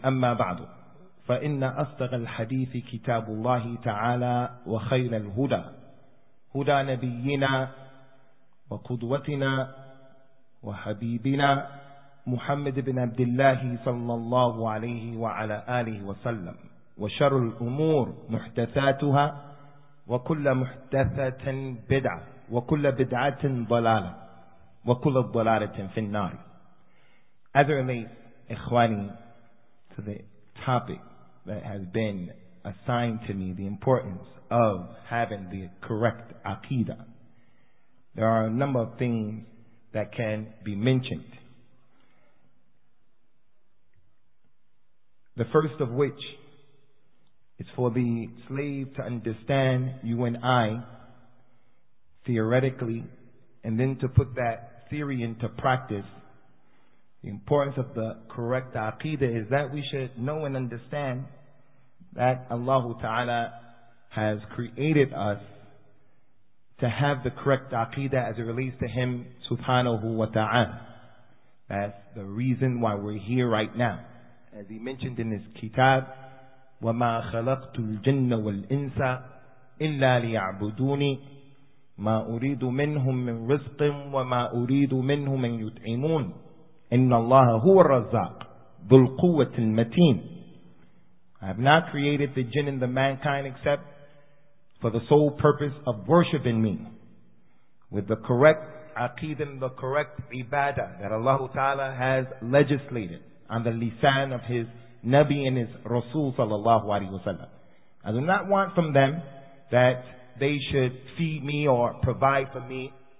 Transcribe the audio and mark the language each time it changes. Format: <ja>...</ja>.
<ar>أما بعد، فإن أصدق الحديث كتاب الله تعالى، وخير الهدى هدى نبينا وقدوتنا وحبيبنا محمد بن عبد الله صلى الله عليه وعلى آله وسلم، وشر الأمور محدثاتها، وكل محدثة بدعة، وكل بدعة ضلالة، وكل ضلالة في النار.</ar> <en>As it relates, إخواني, to the topic that has been assigned to me, the importance of having the correct aqidah, there are a number of things that can be mentioned. The first of which is for the slave to understand you and I theoretically, and then to put that theory into practice. The importance of the correct aqidah is that we should know and understand that Allah Ta'ala has created us to have the correct aqidah as it relates to Him Subhanahu wa Ta'ala. That's the reason why we're here right now. As He mentioned in His kitab,</en> <ar>وَمَا خَلَقْتُ الْجِنَّ وَالْإِنسَ إِلَّا لِيَعْبُدُونِي مَا أُرِيدُ مِنْهُمْ مِنْ رِزْقٍ وَمَا أُرِيدُ مِنْهُمْ مِنْ يُطْعِمُونَ إِنَّ اللَّهَ هُوَ الرَّزَّاقُ ذُو الْقُوَّةِ الْمَتِينَ.</ar> <en>I have not created the jinn and the mankind except for the sole purpose of worshiping me. With the correct aqidah and the correct ibadah that Allah Ta'ala has legislated on the lisan of His Nabi and His Rasul sallallahu alayhi wa sallam, I do not want from them that they should feed me or provide for me.</en>